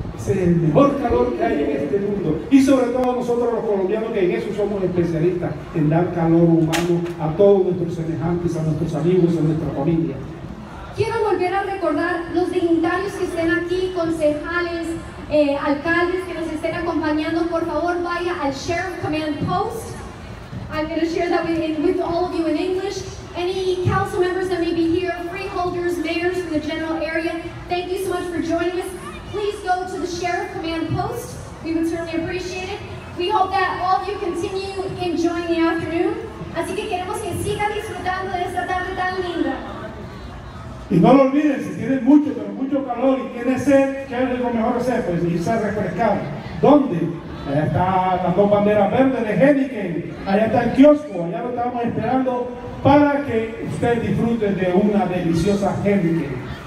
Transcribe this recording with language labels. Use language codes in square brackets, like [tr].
[es] Es el mejor calor que hay en este mundo. Y sobre todo nosotros los colombianos, que en eso somos especialistas, en dar calor humano a todos nuestros semejantes, a nuestros amigos, a nuestra familia. Quiero volver a recordar los dignitarios que estén aquí, concejales, alcaldes que nos estén acompañando. Por favor, vaya al Sheriff Command Post. [en] I'm going to share that with all of you in English. Any council members that may be here, freeholders, mayors from the general area, thank you so much for joining us. Please go to the Sheriff Command Post. We would certainly appreciate it. We hope that all of you continue enjoying the afternoon. [es] Así que queremos que sigan disfrutando de esta tarde tan linda. Y no lo olviden, si tienen mucho, pero mucho calor y tienen sed, ¿qué es lo mejor hacer? Pues irse a refrescar. ¿Dónde? Allá está las dos banderas verdes de Heineken. Allá está el kiosco. Allá lo estamos esperando para que usted disfrute de una deliciosa Heineken.